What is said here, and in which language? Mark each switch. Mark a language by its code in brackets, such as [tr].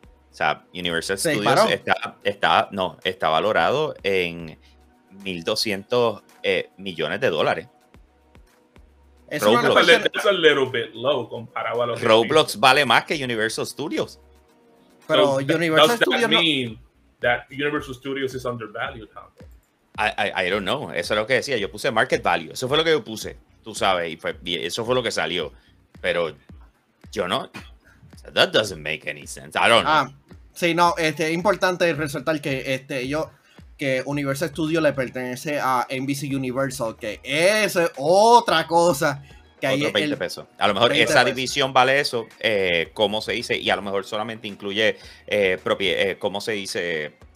[es] O sea, Universal Studios está valorado en 1.200 millones de dólares. [en] Roblox. That's a little bit low [es] comparado a los Roblox que vale más que Universal Studios. Pero so, Universal Studios [en] that Universal Studios is undervalued, huh? I don't know. [es] Eso es lo que decía. Yo puse market value. Eso fue lo que yo puse. Tú sabes. Y eso fue lo que salió. Pero yo no. [en] So that doesn't make any sense. I don't know. [es] Sí, no. Es importante resaltar que que Universal Studios le pertenece a NBC Universal, que es otra cosa. Que otro 20 pesos. A lo mejor esa división vale eso, ¿cómo se dice? Y a lo mejor solamente incluye, ¿cómo se dice?